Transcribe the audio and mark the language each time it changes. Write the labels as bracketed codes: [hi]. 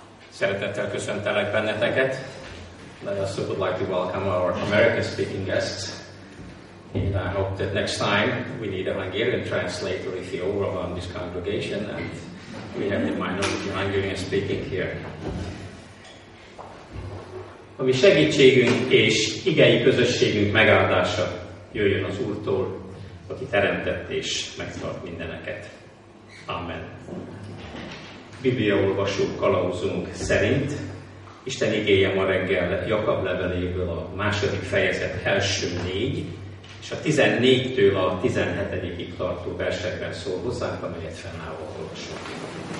[hu] Szeretettel köszöntelek benneteket. [en] Let us would like to welcome our American-speaking guests. And I hope that next time we need a Hungarian translator if you overwhelm this congregation and we have the minority Hungarian speaking here. [hu] A mi segítségünk és igei közösségünk megáldása jöjjön az Úrtól, aki teremtett és megtart mindeneket. Amen. Bibliaolvasó kalauzunk szerint Isten igéje ma reggel Jakab leveléből a második fejezet első 4 és a 14-től a 17-ig tartó versekben szól hozzánk, amelyet fennállva olvasunk.